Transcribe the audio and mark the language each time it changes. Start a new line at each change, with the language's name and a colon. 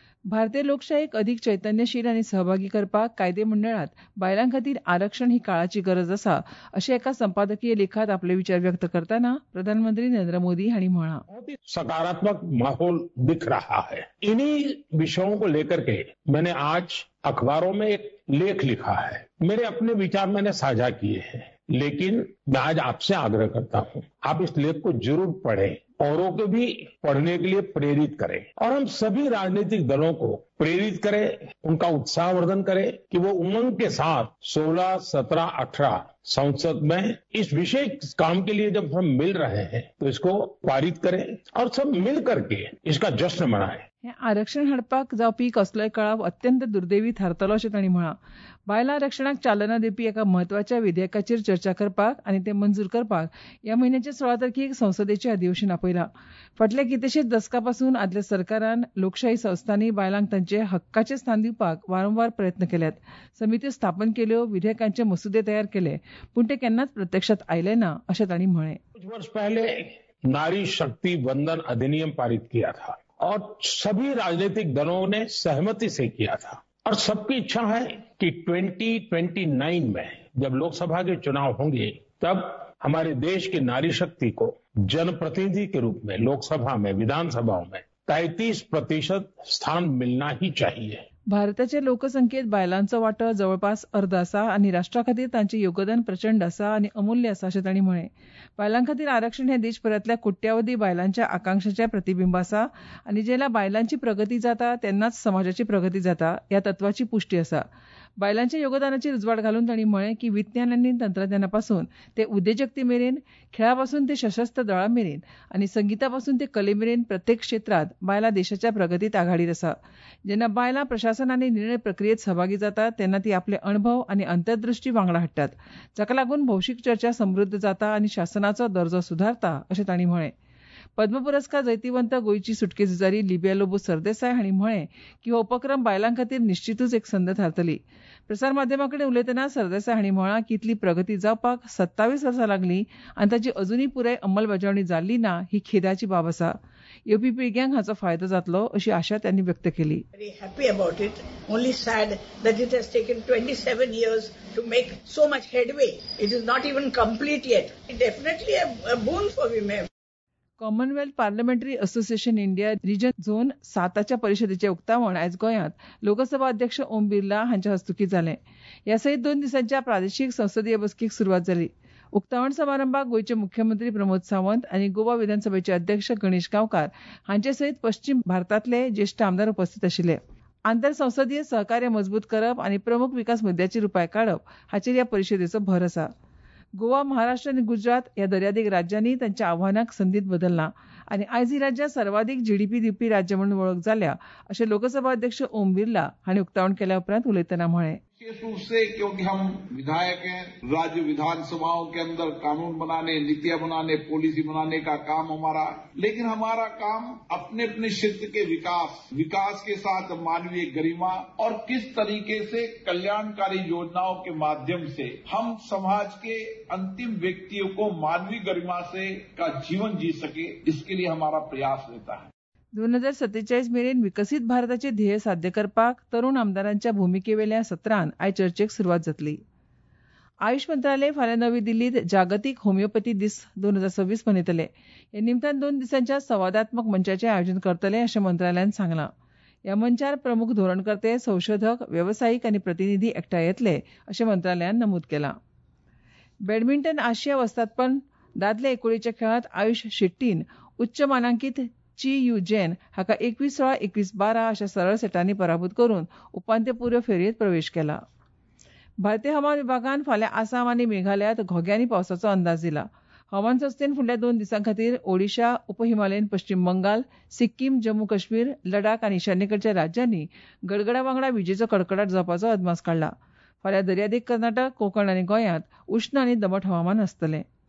Goan Konkani: भारतीय लोकशायेक अधिक चैतन्यशील आणि सहभागी करपाक कायदे मंडळात बायलांखातीर आरक्षण ही काळाची गरज असा, अशे एका संपादकीय लेखात आपले विचार व्यक्त करताना प्रधानमंत्री नरेंद्र मोदी हांणी म्हळा.
Hindi: सकारात्मक माहोल दिख रहा है. इन्हीं विषयों को लेकर के मैंने आज अखबारों में एक लेख लिखा है. मेरे अपने विचार मैंने साझा किए हैं, लेकिन मैं आज आपसे आग्रह करता हूं, आप इस लेख को जरूर पढ़ें, औरों को भी पढ़ने के लिए प्रेरित करें, और हम सभी राजनीतिक दलों को प्रेरित करें, उनका उत्साहवर्धन करें कि वो उमंग के साथ 16, 17, 18 संसद में इस विशेष काम के लिए जब हम मिल रहे हैं तो इसको पारित करें और सब मिल करके इसका जश्न मनाएं.
Goan Konkani: हे आरक्षण हडपाक जावपी कसलोय कळाव अत्यंत दुर्दैवी थारतलो अशें तांणी म्हळां. बायलां आरक्षणाक चालना दिवपी एका म्हत्वाच्या विधेयकाचेर चर्चा करपाक आनी ते मंजूर करपाक ह्या म्हयन्याच्या 16 तारखेक संसदेचें अधिवेशन आपयलां. फाटल्या कितलेशेच दसकापासून आदल्या सरकारान लोकशाही संस्थांनी बायलांक तांचे हक्काचें स्थान दिवपाक वारंवार प्रयत्न केल्यात. समित्यो स्थापन केल्यो, विधेयकांचे मसुदे तयार केले, पूण ते केन्नाच प्रत्यक्षांत आयले ना अशें तांणी म्हळें.
Hindi: कुछ वर्ष पहले नारी शक्ति वंदन अधिनियम पारित किया था और सभी राजनीतिक दलों ने सहमति से किया था, और सबकी इच्छा है कि 2029 में जब लोकसभा के चुनाव होंगे तब हमारे देश की नारी शक्ति को जनप्रतिनिधि के रूप में लोकसभा में विधानसभाओं में 33% स्थान मिलना ही चाहिए.
Goan Konkani: भारताच्या लोकसंख्येत बायलांचो वाटो जवळपास अर्ध असा आणि राष्ट्राखातीर तांचे योगदान प्रचंड असा आणि अमूल्य असा असे तांणी म्हळे. बायलांखातीर आरक्षण हे देशभरातल्या कोट्यावधी बायलांच्या आकांक्षेचे प्रतिबिंब असा आणि जेला बायलांची प्रगती जाता त्यांनाच समाजाची प्रगती जाता या तत्वाची पुष्टी असा. बायलांच्या योगदानाची उजवाड घालून तांणी म्हळे की विज्ञान आणि तंत्रज्ञानापासून ते उद्योजकते मेरेन, खेळापासून ते सशस्त्र दळा मेरेन आणि संगीतापासून ते कलेमेरेन प्रत्येक क्षेत्रात बायलां देशाच्या प्रगतीत आघाडीत असा. जेव्हा बायलां प्रशासन आणि निर्णय प्रक्रियेत सहभागी जातात त्यांना ती आपले अणभव आणि अंतर्दृष्टी वांगडा हाडतात, जका लागून भौशिक चर्चा समृद्ध जाता आणि शासनाचा दर्जा सुधारता असे तांणी म्हळे. पद्म पुरस्कार जैतिवंत गोयची सुटके झुजारी लिबिया लोबो सरदेसाय हांणी म्हळें की हो उपक्रम बायलांखातीर निश्चितूच एक संद थारतली. प्रसारमाध्यमाकडे उलयतना सरदेसाय हांणी म्हळां की इतली प्रगती जावपाक 27 वर्सां लागली आनी ताची अजूनय पुराय अंमलबजावणी जाल्ली ना ही खेदाची बाब आसा. येवपी पिळग्यांक हाचो फायदो जातलो अशी आशा त्यांनी व्यक्त केली.
English: Very happy about it, only sad that it has taken 27 years to make so much headway. It is not even complete yet. It definitely a boon for women.
Goan Konkani: Commonwealth parliamentary association India reason zone 7 परिषदेचे उक्तावण आज गोयात लोकसभा अध्यक्ष ओम बिर्ला हांच्या हस्तुकी झाले. या सहित 2 दिसांच्या प्रादेशिक संसदीय बसकेक सुरुवात झाली. उक्तावण समारंभाक गोयचे मुख्यमंत्री प्रमोद सावंत आणि गोवा विधानसभेचे अध्यक्ष गणेश गांवकार हांचे सहित पश्चिम भारतातले ज्येष्ठ आमदार उपस्थित आशिले. आंतर संसदीय सहकार्य मजबूत करप आणि प्रमुख विकास मुद्द्याचेर उपाय काढप हाचेर या परिषदेचो भर असा. गोवा, महाराष्ट्र आणि गुजरात या दर्यादेग राज्यांनी त्यांच्या आव्हानाक संधीत बदलला आणि आज ही राज्यात सर्वाधिक जीडीपी दिवपी राज्य म्हणून ओळख झाल्या असे लोकसभा अध्यक्ष ओम बिर्ला हांनी उक्तावण केल्या उपरांत उलयताना म्हळे.
Hindi: विशेष रूप से क्योंकि हम विधायक हैं, राज्य विधानसभाओं के अंदर कानून बनाने, नीतियां बनाने, पॉलिसी बनाने का काम हमारा, लेकिन हमारा काम अपने अपने क्षेत्र के विकास, विकास के साथ मानवीय गरिमा और किस तरीके से कल्याणकारी योजनाओं के माध्यम से हम समाज के अंतिम व्यक्तियों को मानवीय गरिमा से का जीवन जी सके, इसके लिए हमारा प्रयास रहता है.
Goan Konkani: 2047 मेरेन विकसित भारताचे ध्येय साध्य करपाक तरुण आमदारांच्या भूमिकेवेल्या सत्रान आय चर्चेक सुरुवात जातली. आयुष मंत्रालय फाल्यां नवी दिल्लीत जागतिक होमिओपॅथी दीस 2026 मनयतले. ह्या निमतान 2 दिसांच्या संवादात्मक मंचाचे आयोजन करतले अशें मंत्रालयान सांगला. ह्या मंचार प्रमुख धोरणकर्ते, संशोधक, वेवसायीक आनी प्रतिनिधी एकठांय येतले अशें मंत्रालयान नमूद केला. बॅडमिंटन आशिया वस्तादपण दादले एकोडीच्या खेळात आयुष शेट्टीन उच्च मानांकित ची यू जेन हाका 21-16, 21-12 अशा सरळ सेटांनी पराभूत करून उपांत्यपूर्व फेरयेत प्रवेश केला. भारतीय हवामान विभागान फाल्यां आसाम आनी मेघालयात घोग्यांनी पावसाचो अंदाज दिला. हवामान संस्थेन फुडल्या 2 दिसांखातीर ओडिशा, उपहिमालयन पश्चिम बंगाल, सिक्कीम, जम्मू काश्मीर, लडाख आनी ईशान्येकडच्या राज्यांनी गडगडा वांगडा विजेचो कडकडाट जावपाचो अदमास काडला. फाल्यां दर्यादेग कर्नाटक, कोकण आनी गोंयात उष्ण आनी दमट हवामान आसतले.